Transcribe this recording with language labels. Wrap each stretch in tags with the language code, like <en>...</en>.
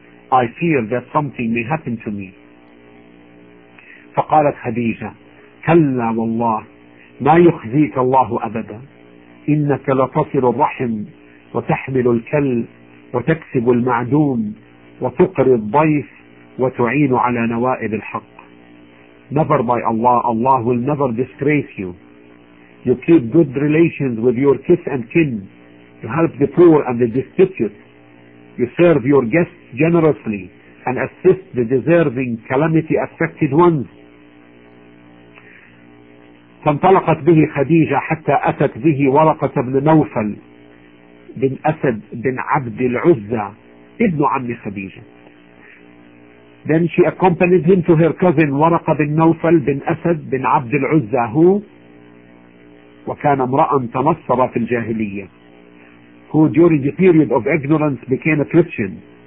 <en>I fear that something may happen to me.</en> <ar>فقالت خديجة كلا والله ما يخزيك الله أبدا. إنك لتصل الرحم وتحمل الكل وتكسب المعدوم وتقري الضيف وتعين على نوائب الحق.</ar> <en>Never by Allah, Allah will never disgrace you. You keep good relations with your kith and kin. You help the poor and the destitute. You serve your guests generously and assist the deserving calamity affected ones.</en> <ar>فانطلقت به خديجة حتى أتت به ورقة بن نوفل بن أسد بن عبد العزة ابن عم خديجة.</ar> <en>Then she accompanied him to her cousin ورقة بن نوفل بن أسد بن عبد العزة who</en> <ar>وكان امرأة تنصر في الجاهلية</ar> <en>who during the period of ignorance became a Christian</en>